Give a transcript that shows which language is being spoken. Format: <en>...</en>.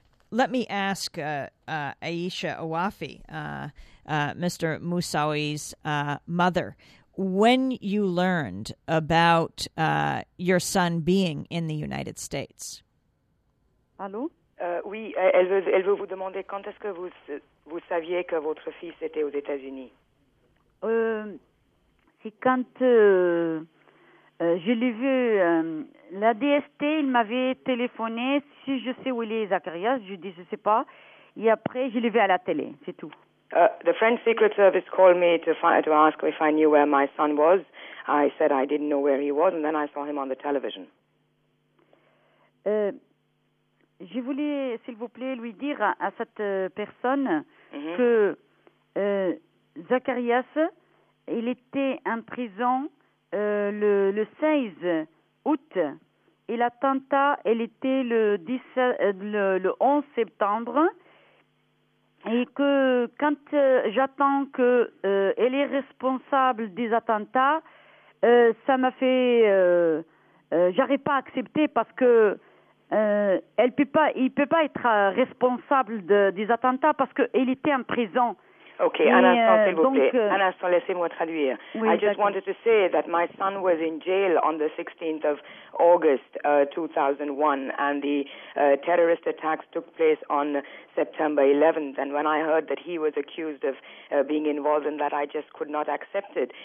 <en>Let me ask Aisha Awafi, Mr. Moussaoui's mother. When you learned about your son being in the United States?</en> <fr>Allô? Oui, elle veut vous demander quand est-ce que vous saviez que votre fils était aux États-Unis? C'est quand je l'ai vu. La DST, il m'avait téléphoné. Si je sais où il est, Zacharias, je dis je ne sais pas. Et après, je l'ai vu à la télé, c'est tout.</fr> <en>The French Secret Service called me to ask if I knew where my son was. I said I didn't know where he was, and then I saw him on the television.</en> <fr>Je voulais, s'il vous plaît, lui dire à cette personne mm-hmm. que Zacharias, il était en prison le 16 août, et l'attentat, elle était le 11 septembre. Et que quand j'attends qu'elle est responsable des attentats, ça m'a fait... j'arrive pas à accepter parce que elle peut pas, il peut pas être responsable des attentats parce qu'elle était en prison. Ok, un instant, s'il vous plaît. Un instant, laissez-moi traduire. Oui,</fr> <en>I just wanted to say that my son was in jail on the 16th of August 2001, and the terrorist attacks took place on September 11th. And when I heard that he was accused of being involved in that, I just could not accept it.</en>